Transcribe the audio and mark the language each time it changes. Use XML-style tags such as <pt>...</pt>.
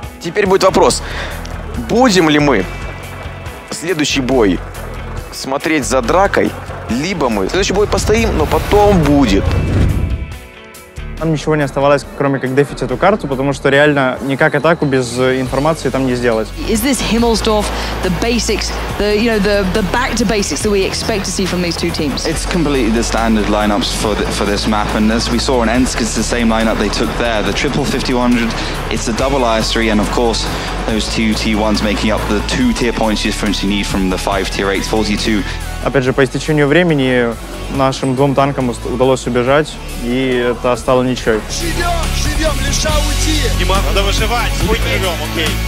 <ru>Теперь будет вопрос, будем ли мы следующий бой смотреть за дракой, либо мы следующий бой постоим, но потом будет. Нам ничего не оставалось, кроме как дефить эту карту, потому что реально никак атаку без информации там не сделать.</ru> <en>Is this Himmelsdorf the basics, the back to basics that we expect to see from these two teams? It's completely the standard lineups for this map, and as we saw in Ensk, it's the same lineup they took there. The triple 5100, it's a double IS3, and of course those two T1s making up the two tier points difference you need from the 5 tier 8 42.</en> <ru>Опять же, по истечению времени нашим двум танкам удалось убежать, и это стало ничьей. Живем, Леша, уйти! Дима, надо выживать, спокойно живем, окей.</ru>